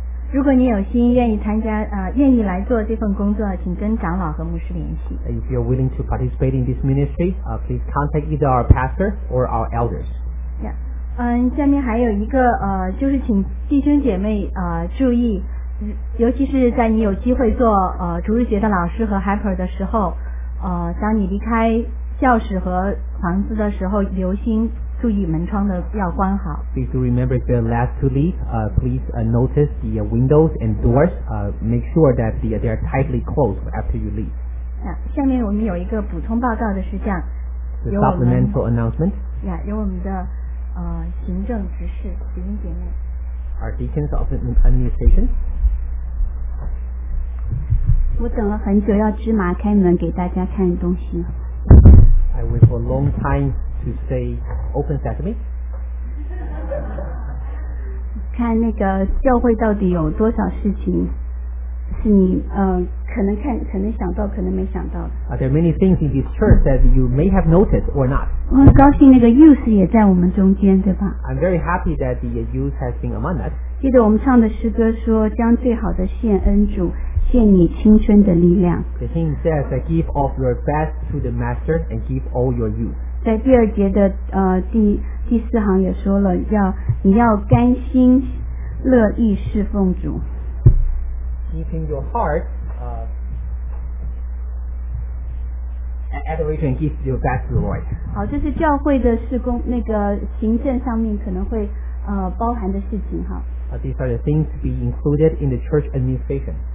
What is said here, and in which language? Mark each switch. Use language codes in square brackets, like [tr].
[zh] 如果你有心愿意参加，愿意来做这份工作，请跟长老和牧师联系。 [en] If you're willing to participate in this ministry, please contact either our pastor or our elders. Yeah. [zh] 下面还有一个就是请弟兄姐妹注意，尤其是在你有机会做逐日学的老师和 helper 的时候，当你离开教室和房子的时候，留心。注意门窗的要关好。 [en] Please do remember the last to leave. Please notice the windows and doors. Make sure that they are tightly closed after you leave. [zh] 下面我们有一个补充报告的事项。 [en] The supplemental announcement. [zh] 由我们的行政执事弟兄姐妹。 [en] Our deacons of administration. [zh] 我等了很久，要芝麻开门给大家看东西。 [en] I wait for a long time. To say open sesame. [zh] 看那个教会到底有多少事情是你可能想到可能没想到的。 [en] There are many things in this church that you may have noticed or not. [zh] 我很高兴那个 youth 也在我们中间，对吧？ [en] I'm very happy that the youth has been among us. [zh] 记得我们唱的诗歌说，将最好的献恩主，献你青春的力量。 [en] The hymn says that give off your best to the master and give all your youth. [zh] 在第二节的第四行也说了，要你要甘心乐意侍奉主。 [en] Giving your heart, adoration, give your best to the Lord. [zh] 好，这是教会的事工那个行政上面可能会包含的事情哈。 [en] These are the things to be included in the church administration.